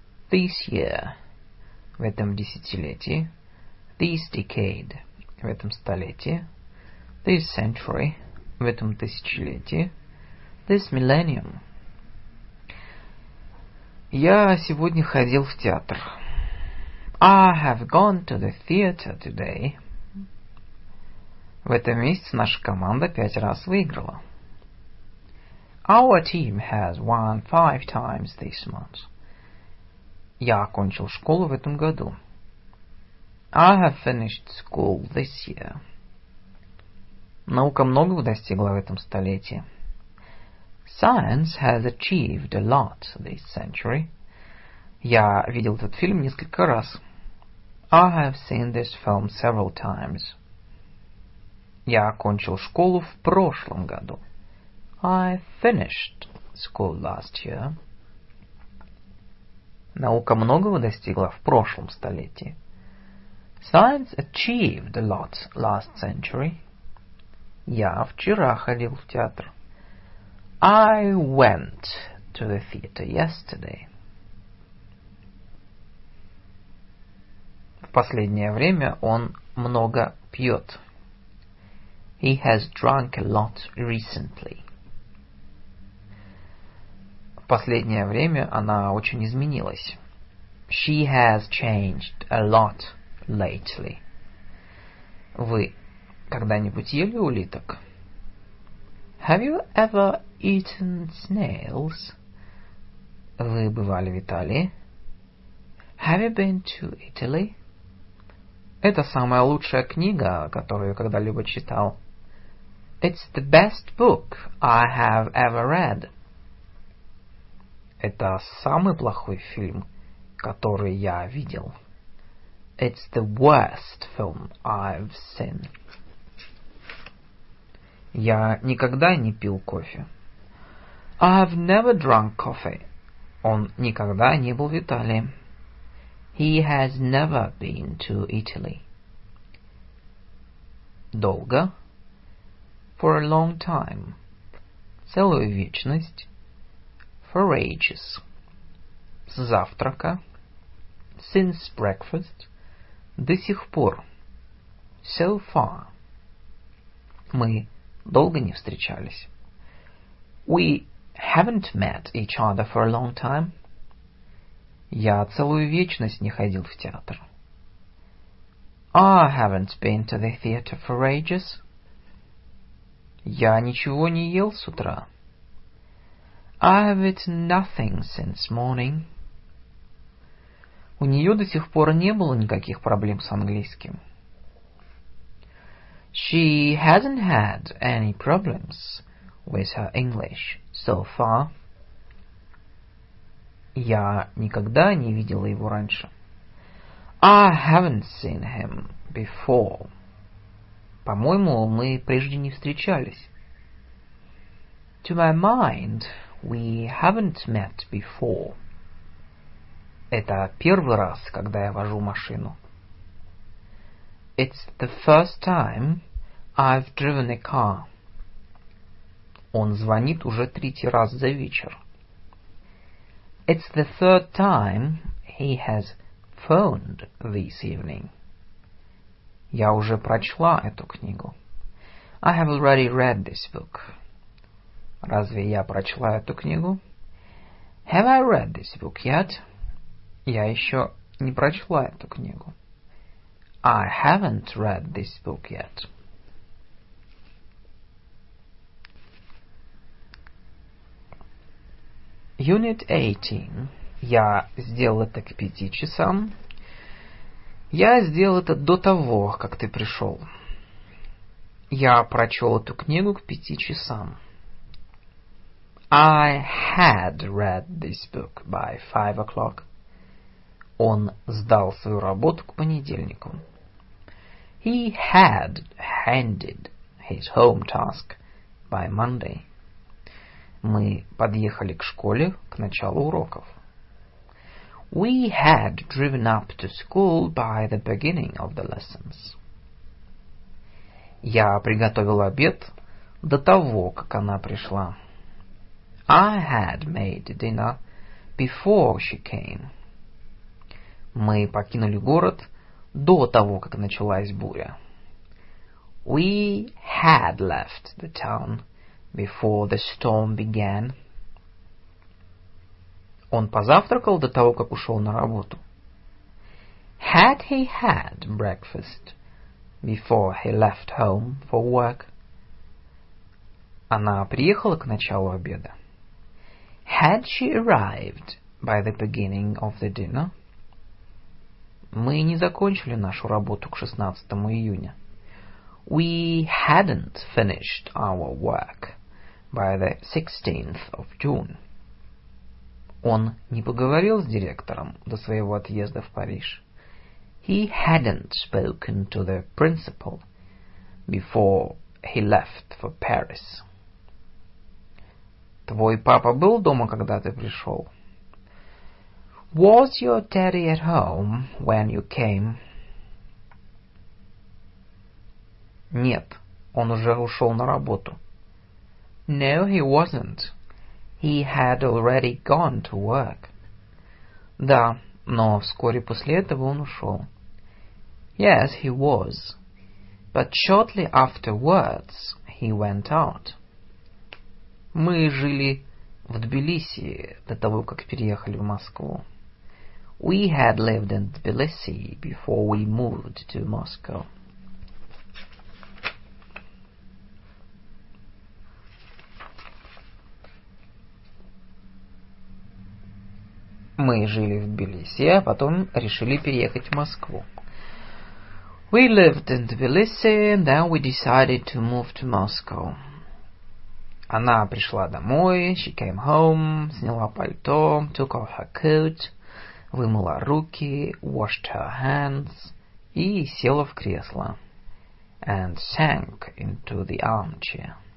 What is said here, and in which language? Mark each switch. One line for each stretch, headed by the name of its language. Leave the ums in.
English: This year
Russian: в этом десятилетии,
English: this decade,
Russian: в этом столетии,
English: this century,
Russian: в этом тысячелетии,
English: this millennium.
Russian: Я сегодня ходил в театр.
English: I have gone to the theater today.
Russian: В этом месяце наша команда пять раз выиграла.
English: Our team has won five times this month.
Russian: Я окончил школу в этом году.
English: I have finished school this year.
Russian: Наука многого достигла в этом столетии.
English: Science has achieved a lot this century.
Russian: Я видел этот фильм несколько раз.
English: I have seen this film several times.
Russian: Я окончил школу в прошлом году.
English: I finished school last year.
Russian: Наука многого достигла в прошлом столетии.
English: Science achieved a lot last century.
Russian: Я вчера ходил в театр.
English: I went to the theater yesterday.
Russian: В последнее время он много пьет.
English: He has drunk a lot recently.
Russian: В последнее время она очень изменилась.
English: She has changed a lot lately.
Russian: Вы когда-нибудь ели улиток?
English: Have you ever eaten snails?
Russian: Вы бывали в Италии?
English: Have you been to Italy?
Russian: Это самая лучшая книга, которую я когда-либо читал.
English: It's the best book I have ever read.
Russian: Это самый плохой фильм, который я видел.
English: It's the worst film I've seen.
Russian: Я никогда не пил кофе.
English: I've never drunk coffee.
Russian: Он никогда не был в Италии.
English: He has never been to Italy.
Russian: Долго.
English: For a long time.
Russian: Целую вечность.
English: For ages.
Russian: С завтрака.
English: Since breakfast.
Russian: До сих пор.
English: So far.
Russian: Мы долго не встречались.
English: We haven't met each other for a long time.
Russian: Я целую вечность не ходил в театр.
English: I haven't been to the theater for ages.
Russian: Я ничего не ел с утра.
English: I have eaten nothing since morning.
Russian: У нее до сих пор не было никаких проблем с английским.
English: She hasn't had any problems with her English so far.
Russian: Я никогда не видела его раньше.
English: I haven't seen him before.
Russian: По-моему, мы прежде не встречались.
English: To my mind, we haven't met before.
Russian: Это первый раз, когда я вожу машину.
English: It's the first time I've driven a car.
Russian: Он звонит уже третий раз за вечер.
English: It's the third time he has phoned this evening.
Russian: Я уже прочла эту книгу.
English: I have already read this book.
Russian: Разве я прочла эту книгу?
English: Have I read this book yet?
Russian: Я еще не прочла эту книгу.
English: I haven't read this book yet. Unit 18.
Russian: Я сделал это к пяти часам. Я сделал это до того, как ты пришел. Я прочел эту книгу к пяти часам.
English: I had read this book by five o'clock.
Russian: Он сдал свою работу к понедельнику.
English: He had handed his home task by Monday.
Russian: Мы подъехали к школе к началу уроков.
English: We had driven up to school by the beginning of the lessons.
Russian: Я приготовил обед до того, как она пришла.
English: I had made dinner before she came.
Russian: Мы покинули город до того, как началась буря.
English: We had left the town before the storm began.
Russian: Он позавтракал до того, как ушел на работу.
English: Had he had breakfast before he left home for work?
Russian: Она приехала к началу обеда.
English: Had she arrived by the beginning of the dinner?
Russian: Мы не закончили нашу работу к 16 июня.
English: We hadn't finished our work by the 16th of June.
Russian: Он не поговорил с директором до своего отъезда в Париж.
English: He hadn't spoken to the principal before he left for Paris.
Russian: Твой папа был дома, когда ты пришел?
English: Was your daddy at home when you came?
Russian: Нет, он уже ушел на работу.
English: No, he wasn't. He had already gone to work.
Russian: Да, но вскоре после этого он ушел.
English: Yes, he was. But shortly afterwards he went out.
Russian: Мы жили в Тбилиси до того, как переехали в Москву.
English: We had lived in Tbilisi before we moved to Moscow.
Russian: Мы жили в Тбилиси, а потом решили переехать в Москву.
English: We lived in Tbilisi, and then we decided to move to Moscow.
Russian: Она пришла домой,
English: she came home,
Russian: сняла пальто,
English: took off her coat,
Russian: вымыла руки,
English: washed her hands
Russian: и села в кресло.
English: And sank into the armchair.